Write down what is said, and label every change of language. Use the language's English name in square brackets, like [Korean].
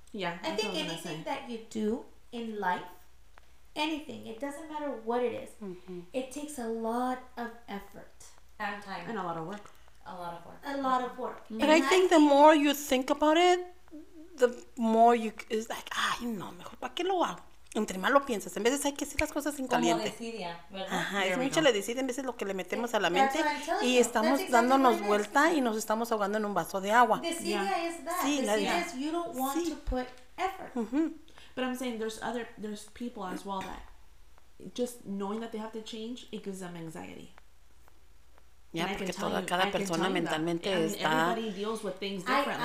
[English] Yeah. I think anything that you do in life, anything, it doesn't matter what it is, it takes a lot of effort. And time. And a lot of work. A lot of work. But I think the more you think about it, the more you... It's like, [Spanish] ay, no, mejor, ¿para qué lo hago? Entre más lo piensas. En veces hay que hacer las cosas en caliente. Como decidia, ¿verdad? Ajá, es mucha la decidia en veces lo que le metemos a la mente. Y estamos dándonos vuelta y nos estamos ahogando en un vaso de agua. [English] Decidia is you don't want to put effort. Mm-hmm. But I'm saying there's people as well that just knowing that they have to change, it gives them anxiety. Yeah, because [Spanish] cada persona mentalmente está... [English] Everybody deals with things differently.